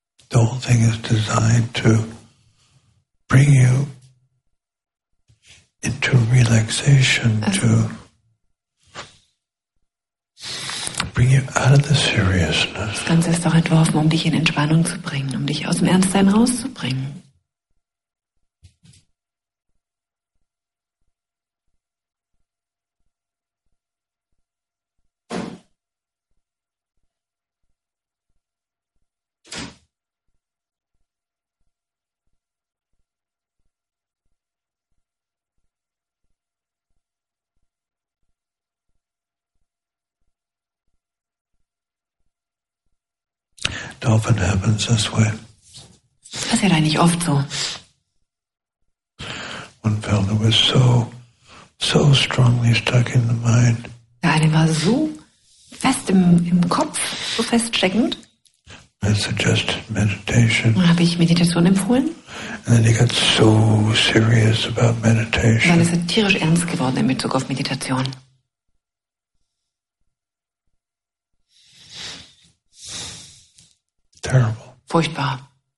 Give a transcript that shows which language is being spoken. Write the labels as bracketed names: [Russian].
[English] The whole thing is designed to bring you into relaxation, to bring you out of the seriousness. [German] Das Ganze ist doch entworfen, um dich in Entspannung zu bringen, um dich aus dem Ernstsein rauszubringen. [English] Often happens this way. [German] Das ist ja nicht oft so. [English] One fellow was so strongly stuck in the mind. [German] Der eine war so fest im Kopf, so feststeckend. [English] I suggested meditation. [German] Dann habe ich Meditation empfohlen. [English] And then he got so serious about meditation. [German] Dann ist er tierisch ernst geworden in Bezug auf Meditation. [English] Terrible. [German] Furchtbar.